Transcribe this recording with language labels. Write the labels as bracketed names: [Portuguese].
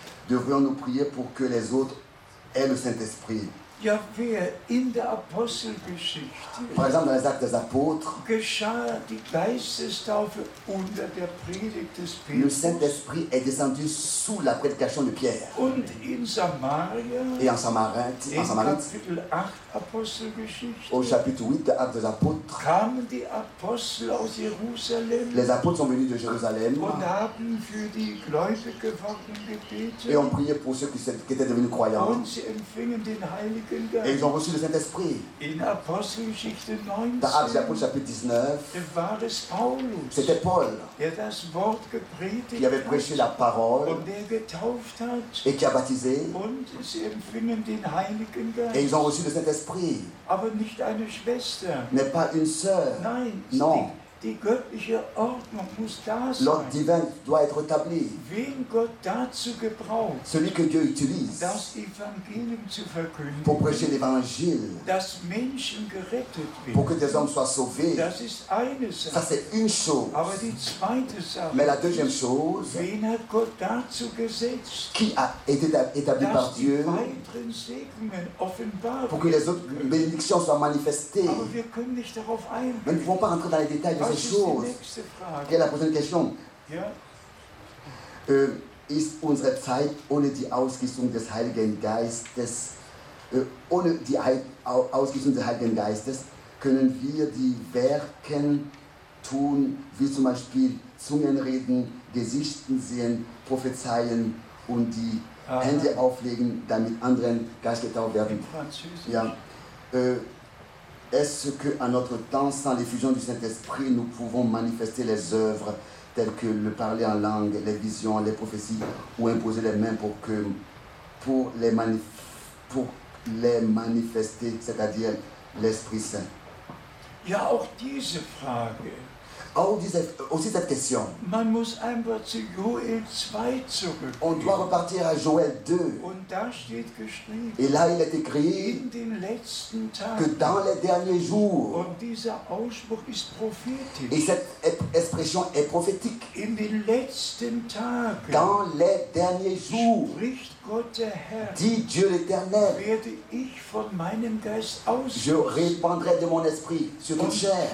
[French] Devrions-nous prier pour que les autres aient le Saint-Esprit? [German] Ja, wer in der Apostelgeschichte [French] Par exemple, dans les Actes des Apôtres, [German] geschah die Geistestaufe unter der Predigt des Petrus. [French] Le Saint-Esprit est descendu sous la prédication de Pierre. [German] Und in Samaria, [French] et en Samarie, [German] Kapitel 8 Apostelgeschichte, [French] au chapitre 8 des Actes des Apôtres, [German] kamen die Apostel aus Jérusalem, [French] les apôtres sont venus de Jérusalem [German] und haben für die Gläubigen geworden gebetet, [French] et ont prié pour ceux qui étaient devenus croyants. [German] Und sie empfingen den Heiligen. [French] Et ils ont reçu le Saint-Esprit. [German] In Apostelgeschichte 19, [French] dans Actes des Apôtres chapitre 19, [German] war es Paulus, [French] c'était Paul [German] der das Wort gepredigt [French] qui avait prêché la parole [German] und der getauft hat, [French] et qui a baptisé. [German] Und sie empfingen den Heiligen Geist. [French] Et ils ont reçu le Saint-Esprit. [German] Aber nicht eine Schwester. [French] Mais pas une sœur. [German] Nein, [French] non. [German] Die göttliche Ordnung muss da sein. [French] L'ordre divin doit être établi. [German] Wen Gott dazu gebraucht, [French] celui que Dieu utilise, [German] das Evangelium zu verkünden, [French] pour prêcher l'évangile, [German] dass Menschen gerettet werden, [French] pour que des hommes soient sauvés, [German] das ist eine Sache. [French] Ça c'est une chose. [German] Aber die zweite Sache, [French] mais la deuxième chose, [German] wen hat Gott dazu gesetzt, [French] qui a été établi par Dieu, [German] weiteren Segnungen offenbar [French] pour que les autres bénédictions soient manifestées. [German] Aber wir können nicht darauf eingehen. [French] Mais nous ne pouvons pas rentrer dans les détails. Quelle est la prochaine question? Yeah. [German] Ist unsere Zeit ohne die Ausgießung des Heiligen Geistes, ohne die Ausgießung des Heiligen Geistes, können wir die Werke tun, wie zum Beispiel Zungenreden, Gesichten sehen, prophezeien und die Aha. Hände auflegen, damit anderen Geist getauft werden? Ja. [French] Est-ce qu'à notre temps, sans l'effusion du Saint-Esprit, nous pouvons manifester les œuvres telles que le parler en langue, les visions, les prophéties, ou imposer les mains pour les manifester, c'est-à-dire l'Esprit Saint? Il y a [German] auch diese Frage. [French] Aussi cette question. [German] Man muss einfach zu Joel 2 zurückgehen. [French] On doit repartir à Joël 2. [German] Und da steht geschrieben, [French] et là, il est écrit [German] in den letzten Tagen, [French] que dans les derniers jours, [German] und dieser Ausspruch ist prophétique. [French] Et cette expression est prophétique. [German] In den letzten Tagen, [French] dans les derniers jours, [German] spricht Gott der Herr, [French] dit Dieu l'Éternel, [German] werde ich von meinem Geist aus, [French] je répandrai de mon esprit sur ton chair.